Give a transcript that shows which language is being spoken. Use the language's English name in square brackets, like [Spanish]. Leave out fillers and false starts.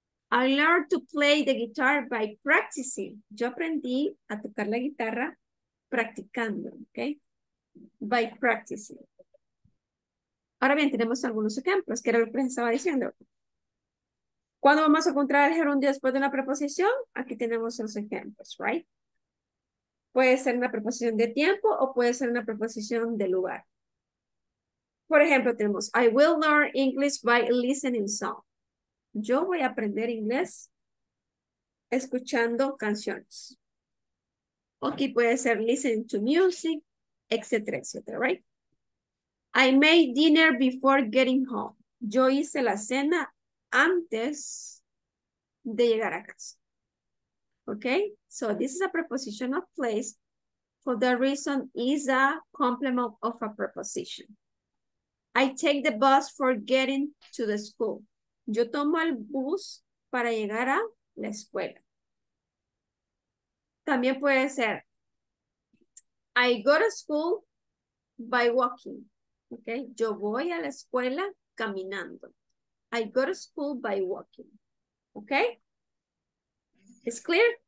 [English] I learned to play the guitar by practicing. [Spanish] Yo aprendí a tocar la guitarra practicando, ¿ok? By practicing. Ahora bien, tenemos algunos ejemplos, que era lo que les estaba diciendo. ¿Cuándo vamos a encontrar el gerundio después de una preposición? Aquí tenemos los ejemplos, right? Puede ser una preposición de tiempo o puede ser una preposición de lugar. [English] Por ejemplo, tenemos I will learn English by listening song. [Spanish] Yo voy a aprender inglés escuchando canciones. Aquí puede ser listening to music, etcétera, etcétera, right? [English] I made dinner before getting home. [Spanish] Yo hice la cena antes de llegar a casa. [English] Okay? So this is a preposition of place. For that reason, is a complement of a preposition. I take the bus for getting to the school. [Spanish] Yo tomo el bus para llegar a la escuela. [English] También puede ser, I go to school by walking. Okay? Yo voy a la escuela caminando. I go to school by walking. Okay? Is clear?